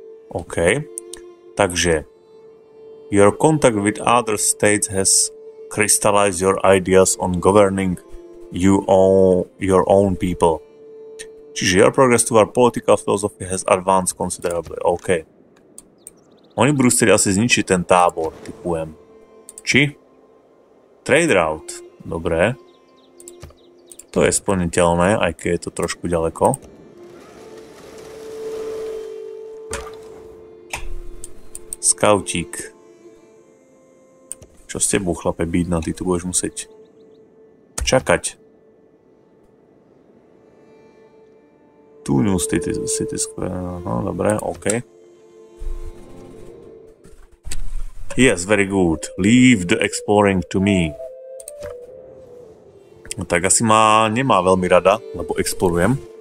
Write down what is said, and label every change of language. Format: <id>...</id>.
<en>OK.</en> <sk>Takže</sk> <en>your contact with other states has crystallized your ideas on governing you own your own people.</en> <sk>Čiže</sk> <en>your progress to our political philosophy has advanced considerably. OK.</en> <sk>Oni budú chcieť asi zničiť ten tábor, typujem. Či? Trade route. Dobre. To je splniteľné, aj keď je to trošku ďaleko. Scoutík. Čo s tebou, chlape, bídna, ty tu budeš musieť čakať. Tu</sk> <en>new city square,</en> <sk>no dobre, OK.</sk> <en>Yes, very good. Leave the exploring to me.</en> <sk>No tak asi ma nemá veľmi rada, lebo explorujem.</sk>